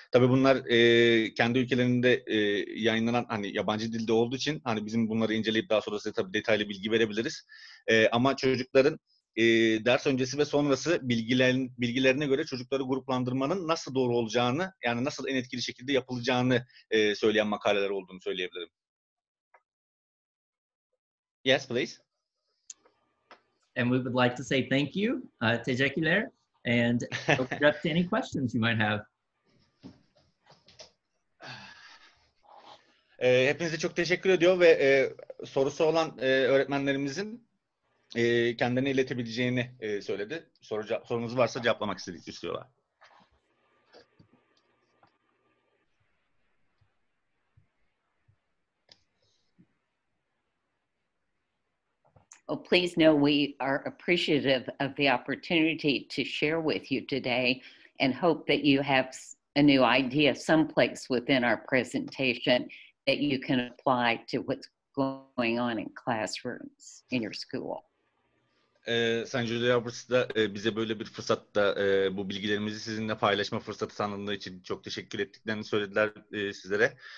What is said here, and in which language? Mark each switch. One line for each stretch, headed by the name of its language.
Turkish: Tabii bunlar kendi ülkelerinde yayınlanan, hani yabancı dilde olduğu için hani bizim bunları inceleyip daha sonra size tabii detaylı bilgi verebiliriz. Ama çocukların ders öncesi ve sonrası bilgilerine göre çocukları gruplandırmanın nasıl doğru olacağını, yani nasıl en etkili şekilde yapılacağını söyleyen makaleler olduğunu söyleyebilirim.
English: Yes, please. And we would like to say thank you,
Turkish: teşekkürler,
English: and open up to any questions you might have.
Turkish: Hepinize çok teşekkür ediyor ve sorusu olan öğretmenlerimizin kendini iletebileceğini söyledi. Sorunuz varsa cevaplamak istiyorlar.
English: Oh, please know we are appreciative of the opportunity to share with you today and hope that you have a new idea someplace within our presentation that you can apply to what's going on in classrooms in your school.
Turkish: Sayın Julia Roberts da bize böyle bir fırsatta bu bilgilerimizi sizinle paylaşma fırsatı tanıdığı için çok teşekkür ettiklerini söylediler sizlere.